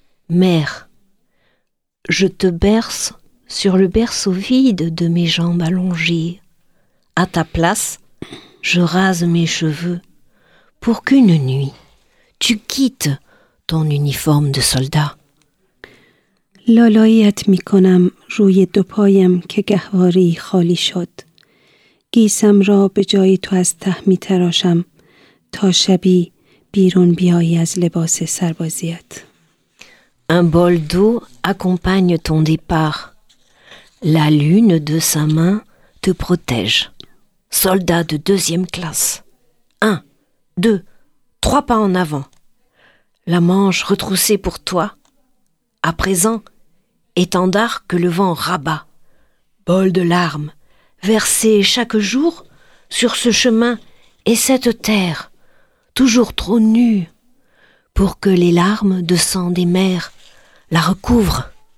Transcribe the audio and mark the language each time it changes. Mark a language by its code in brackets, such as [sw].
[fr] Mère, je te berce sur le berceau vide de mes jambes allongées. À ta place, je rase mes cheveux pour qu'une nuit, tu quittes ton uniforme de soldat. [fa] لالاییت می کنم روی دو پایم که گهواری خالی شد. گیسم را به جای تو از ته می تراشم تا شبی بیرون بیایی از لباس سربازیت. [fr] Un bol d'eau accompagne ton départ. La lune de sa main te protège. Soldat de deuxième classe. Un, deux, trois pas en avant. La manche retroussée pour toi. À présent, étendard que le vent rabat, bol de larmes, versé chaque jour sur ce chemin et cette terre, toujours trop nue, pour que les larmes de sang des mères la recouvrent.